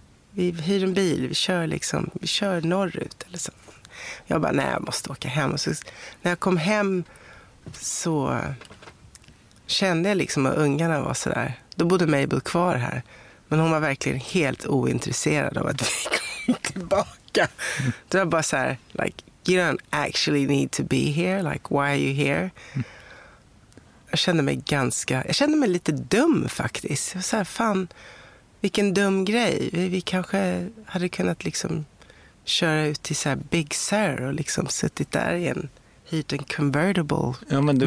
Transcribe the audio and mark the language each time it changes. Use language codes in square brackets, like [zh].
[sv] Vi hyr en bil, vi kör norrut eller så. Jag bara, nej, jag måste åka hem. Och så, när jag kom hem så kände jag liksom att ungarna var så där. Då bodde Mabel kvar här. Men hon var verkligen helt ointresserad av att vi kom tillbaka. Mm. Då var jag bara så här, [en] like, you don't actually need to be here. Like, why are you here? Mm. [sv] Jag kände mig lite dum faktiskt. Jag var så här, fan, vilken dum grej. Vi kanske hade kunnat liksom... köra ut till så här Big Sur och liksom suttit där i en hyrten convertible, ja, men du